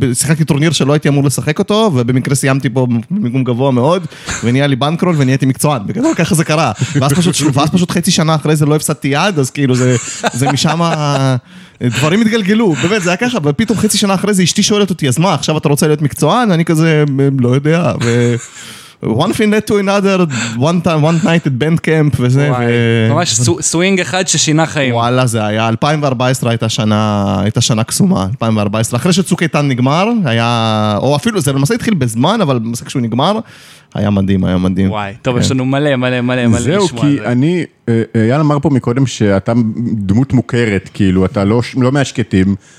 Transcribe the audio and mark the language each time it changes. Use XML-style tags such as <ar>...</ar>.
<he>שיחקתי טורניר שלא הייתי אמור לשחק אותו, ובמקרה סיימתי פה במקום גבוה מאוד, ונהיה לי בנקרול, ונהייתי מקצוען. בגלל, ככה זה קרה. ואז פשוט חצי שנה אחרי זה לא הפסדתי יד, אז כאילו זה משם דברים התגלגלו, באמת, זה היה ככה, ופתאום חצי שנה אחרי זה אשתי שואלת אותי, אז מה, עכשיו אתה רוצה להיות מקצוען? אני כזה, לא יודע, ו...</he> <en>one thing led to another, one night at band camp,</en> <he>וזה, ממש סווינג אחד ששינה חיים. וואלה, זה היה, 2014 הייתה שנה קסומה, 2014, אחרי שצוק איתן נגמר, היה, או אפילו, זה למעשה התחיל בזמן, אבל למעשה כשהוא נגמר, היה מדהים, היה מדהים. וואי, טוב, יש לנו מלא, מלא, מלא, מלא. זהו, כי אני, אייל אמר פה מקודם שאתה דמות מוכרת, כאילו, אתה לא מהשקטים.</he>